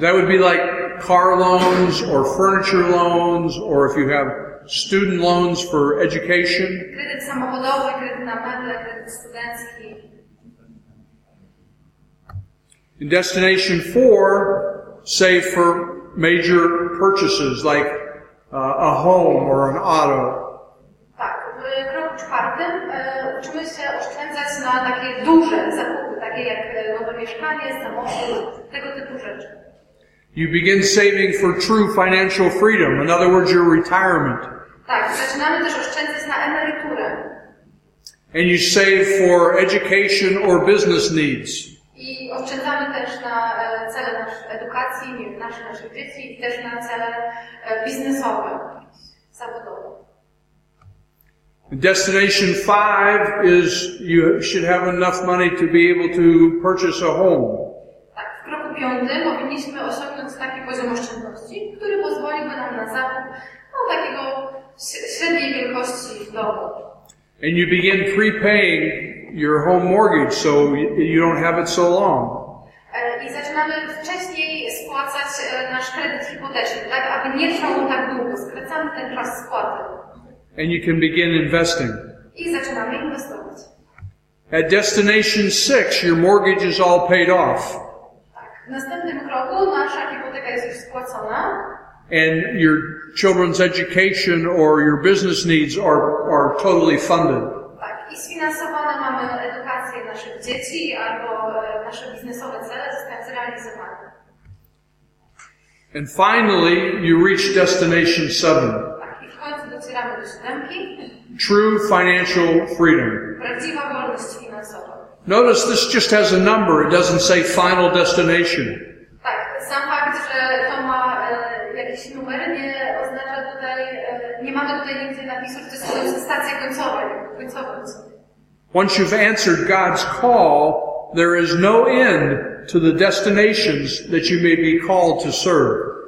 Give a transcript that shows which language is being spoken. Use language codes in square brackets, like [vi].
[en] That would be like car loans or furniture loans, or if you have student loans for education. [pl] Kredyt samochodowy, kredyt na meble, kredyt studencki. [en] In destination 4, save for major purchases like a home or an auto. [pl] Tak, w kroku czwartym uczymy się oszczędzać na takie duże zakupy, takie jak nowe mieszkanie, samochód, tego typu rzeczy. [en] You begin saving for true financial freedom, in other words, your retirement. [pl] Tak, zaczynamy też oszczędzać na emeryturę. [en] And you save for education or business needs. [pl] I oszczędzamy też na cele naszej edukacji, nie wiem, naszych dzieci, i też na cele biznesowe, zawodowe. [en] Destination 5 is you should have enough money to be able to purchase a home. [pl] Tak, w kroku piątym powinniśmy osiągnąć taki poziom oszczędności, który pozwoliłby nam na zakup no, takiego średniej wielkości domu. [en] And you begin prepaying your home mortgage, so you don't have it so long. [pl] I zaczynamy wcześniej spłacać nasz kredyt hipoteczny, tak, aby nie trwał on tak długo. Skracamy ten czas spłaty. [en] And you can begin investing. [pl] I zaczynamy inwestować. [en] At destination 6, your mortgage is all paid off. [pl] Tak, w następnym kroku nasza hipoteka jest już spłacona. [en] And your children's education or your business needs are totally funded. [pl] Tak, i sfinansowane mamy edukację naszych dzieci albo nasze biznesowe cele zostały zrealizowane. [en] And finally, you reach destination 7. [pl] Tak, i w końcu docieramy do siódemki. [en] True financial freedom. [pl] Prawdziwa wolność finansowa. [en] Notice this just has a number. It doesn't say final destination. [pl] Tak, sam fakt, że to ma jakiś numer, nie oznacza tutaj, nie mamy tutaj więcej napisów, to jest stacja końcowa, końcowa. [en] Once you've answered God's call, there is no end to the destinations that you may be called to serve.